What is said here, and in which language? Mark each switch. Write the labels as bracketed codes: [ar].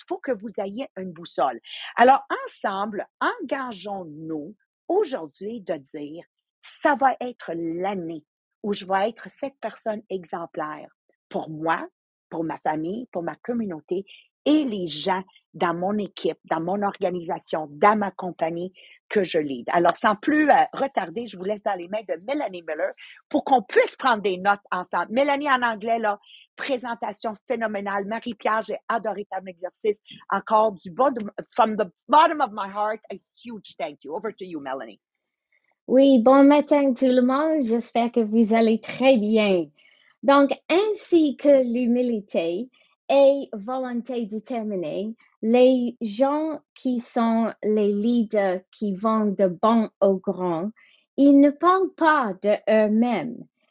[fr] Il faut que vous ayez une boussole. Alors, ensemble, engageons-nous aujourd'hui de dire, ça va être l'année où je vais être cette personne exemplaire pour moi, pour ma famille, pour ma communauté et les gens dans mon équipe, dans mon organisation, dans ma compagnie que je lead. Alors, sans plus retarder, je vous laisse dans les mains de Mélanie Miller pour qu'on puisse prendre des notes ensemble. Mélanie, en anglais, là, présentation phénoménale. Marie-Pierre, j'ai adoré ton exercice. Encore du [en] from the bottom of my heart, a huge thank you. Over to you, Mélanie. [fr] Oui, bon matin tout le monde. J'espère que vous allez très bien. Donc, ainsi que l'humilité et volonté déterminée, les gens qui sont les leaders qui vont de bon au grand, ils ne parlent pas d'eux-mêmes.